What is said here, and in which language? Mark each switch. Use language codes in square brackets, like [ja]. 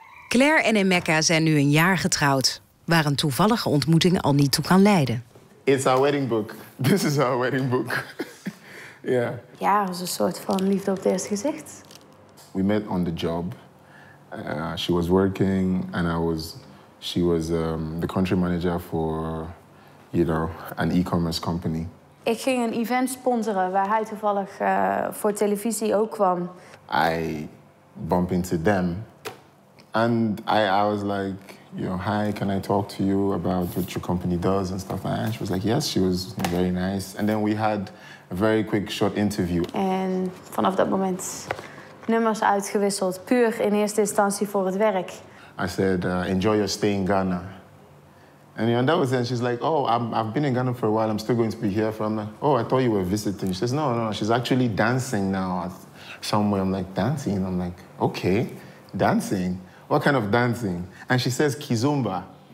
[nl] Claire en Emeka zijn nu een jaar getrouwd, waar een toevallige ontmoeting al niet toe kan leiden. [en] It's our wedding book. This is our wedding book. Yeah. [nl] Ja, het was een soort van liefde op het eerste gezicht. [en] We met on the job. She was working and she was the country manager for, an e-commerce company. [nl] Ik ging een event sponsoren waar hij toevallig voor televisie ook kwam. [en] I bump into them. And I was like, hi, can I talk to you about what your company does and stuff like that? And she was like, yes, she was very nice. And then we had a very quick short interview. [nl] En vanaf dat moment nummers uitgewisseld, puur in eerste instantie voor het werk. [en] I said, enjoy your stay in Ghana. And that was then she's like, I've been in Ghana for a while, I'm still going to be here for a while. Oh, I thought you were visiting. She says, no, she's actually dancing now somewhere. I'm like, dancing? I'm like, okay, dancing. What kind of dancing? And she says Kizomba.